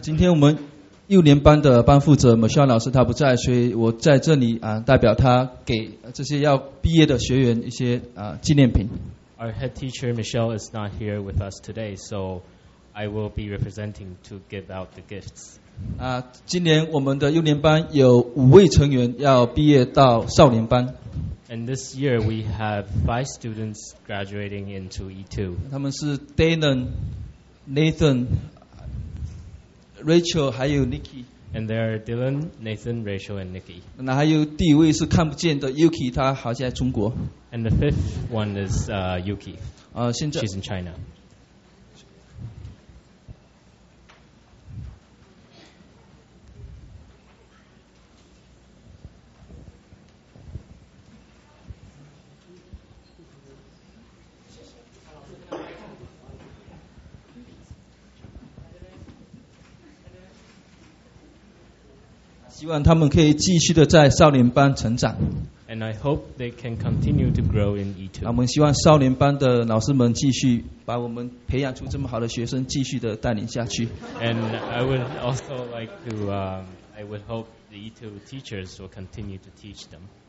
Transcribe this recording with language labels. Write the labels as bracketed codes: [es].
[zh] 今天我们幼年班的班负责 Michelle 老师他不在，所以我在这里代表他给这些要毕业的学员一些纪念品。 [en] Our head teacher Michelle is not here with us today, so I will be representing to give out the gifts. [zh] 今年我们的幼年班有五位成员要毕业到少年班。 [en] And this year we have 5 students graduating into E2. [zh] 他们是 Danon, Nathan,Rachel 还有 Nikki, [en] and there are Dylan, Nathan, Rachel, and Nikki. [zh] 那还有第一位是看不见的 Yuki, 她好像在中国。 [en] And the fifth one is Yuki. [zh] 现在 [en] she's in China. [zh] 希望他们可以继续的在少年班成长。 [en] And I hope they can continue to grow in E2. [zh] 我们希望少年班的老师们继续把我们培养出这么好的学生继续的带领下去。 [en] And I would also like to, I would hope the E2 teachers will continue to teach them.